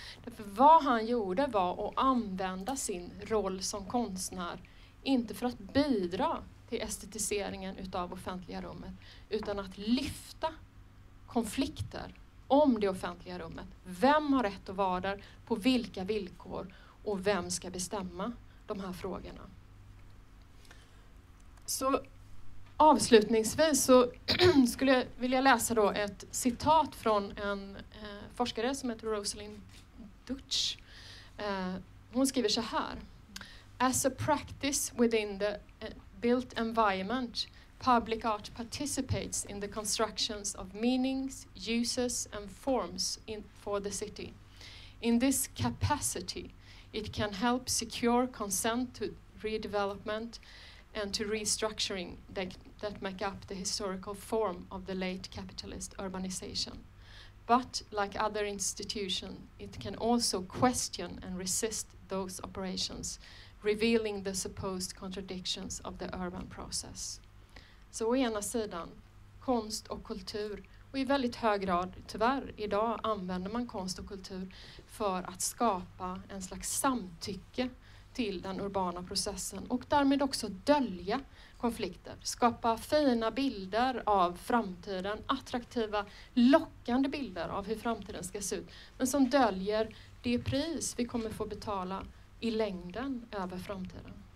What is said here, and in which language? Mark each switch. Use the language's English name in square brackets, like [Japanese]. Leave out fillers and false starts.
[Swedish] Därför vad han gjorde var att använda sin roll som konstnär, inte för att bidra till estetiseringen utav offentliga rummet, utan att lyfta konflikter om det offentliga rummet. Vem har rätt att vara där, på vilka villkor och vem ska bestämma de här frågorna? Så avslutningsvis så skulle jag vilja läsa då ett citat från en forskare som heter Rosalind Dutch. Hon skriver så här: [English] "As a practice within the built environment, public art participates in the constructions of meanings, uses and forms in for the city. In this capacity, it can help secure consent to redevelopment and to restructuring that make up the historical form of the late capitalist urbanization. But like other institutions, it can also question and resist those operations, revealing the supposed contradictions of the urban process." [Swedish] Så å ena sidan, konst och kultur, och i väldigt hög grad tyvärr idag använder man konst och kultur för att skapa en slags samtycke till den urbana processen och därmed också dölja konflikter. Skapa fina bilder av framtiden, attraktiva, lockande bilder av hur framtiden ska se ut, men som döljer det pris vi kommer få betala i längden över framtiden.